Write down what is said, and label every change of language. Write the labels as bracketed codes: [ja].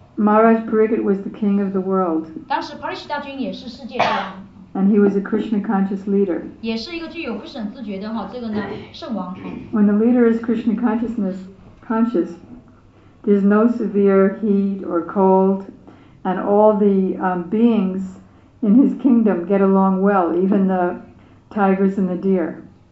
[en] Maharaj Parikshit was the king of the world. [zh] 当时帕里什大君也是世界之王。 [en] And he was a Krishna conscious leader. [zh] 也是一个具有不省自觉的这个呢圣王。 [en] When the leader is Krishna conscious, there's no severe heat or cold, and all the beings in his kingdom get along well, even the tigers and the deer.